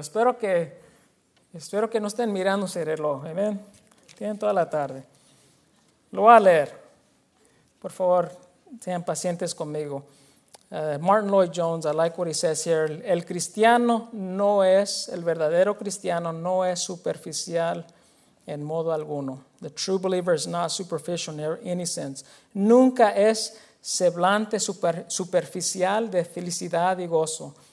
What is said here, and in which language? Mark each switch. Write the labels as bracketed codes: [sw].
[es] Espero que no estén mirándose el reloj. Amén. Tienen toda la tarde. Lo voy a leer. Por favor, sean pacientes conmigo. [en] Martin Lloyd-Jones, I like what he says here. [es] El cristiano no es, el verdadero cristiano no es superficial en modo alguno. [en] The true believer is not superficial in any sense. [es] Nunca es semblante superficial de felicidad y gozo.